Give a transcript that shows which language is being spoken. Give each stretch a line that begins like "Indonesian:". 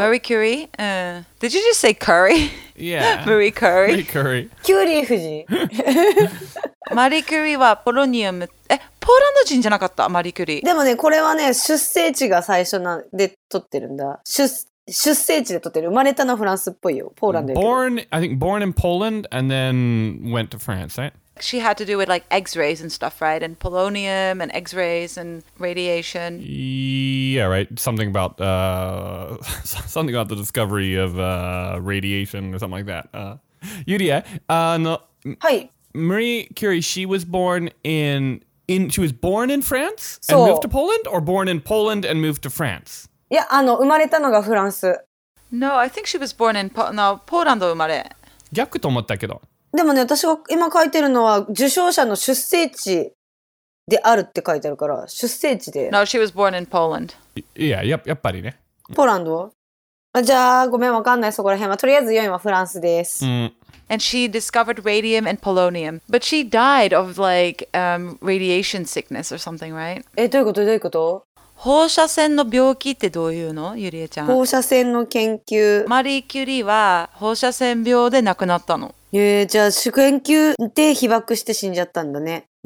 English: Marie Curie？ Did you just say Curry？ Yeah。 Marie Curie？ Marie Curie。
Japanese: キューリー夫人。マリクリはポロニウム。え、ポーランド人じゃなかった？マリクリ。でもね、これはね、出生地が最初なんで取ってるんだ。出生地で撮ってる。生まれたのフランスっぽいよ。ポーランドで。
English: Born, I think born in Poland and then went to France, right? She had to do with like x-rays and stuff, right? And polonium and x-rays and radiation. Yeah, right. Something about, something about the discovery of radiation or something like that. Yurie, no.
Japanese: はい。
English: Marie Curie, she was born in, she was born in France and moved to Poland? Or born in Poland and moved to France?
Japanese: いや、生まれたのがフランス。
English: No, I think she was born in Poland.
Japanese: ポーランド生まれ。逆と思ったけど。でもね、私が今書いてるのは受賞者の出生地であるって書いてあるから、出生地で。
English: No, she was born in Poland.
Japanese: いや、やっぱりね。ポーランド？じゃあ、ごめん、わかんない、そこら辺は。とりあえず4位はフランスです。うん。
English: And she discovered radium and polonium. But she died of, like, radiation sickness or something, right?
Japanese: え、どういうこと？どういうこと？放射線の病気ってどういうの、ゆりえちゃん。放射線の研究。マリー・キュリーは放射線病で亡くなったの。じゃあ、主研究で被爆して死んじゃったんだね。